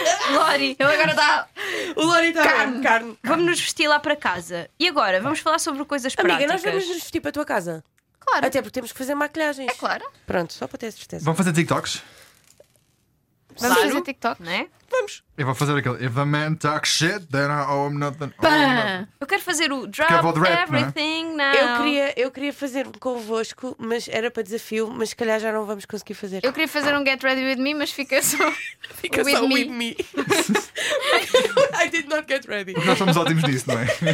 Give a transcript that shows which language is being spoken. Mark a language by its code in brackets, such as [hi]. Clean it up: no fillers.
[pt] Lori, ele agora está. O Lori está carne. Vamos nos vestir lá para casa. E agora, vamos falar sobre coisas práticas. Amiga, nós vamos nos vestir para a tua casa. Claro. Até porque temos que fazer maquilhagens. É claro. Pronto, só para ter certeza. Vamos fazer TikToks? Vamos claro. Fazer TikTok, não é? Vamos. Eu vou fazer aquele. [en] If a man talks shit, then I owe him nothing. [pt] Eu quero fazer o drop everything rap, é? Now. Eu queria fazer convosco, mas era para desafio, mas se calhar já não vamos conseguir fazer. Eu queria fazer um [en] get ready with me, [pt] mas fica só. Fica with só me. With me. [en] I did not get ready. [pt] Nós somos ótimos nisso, não é?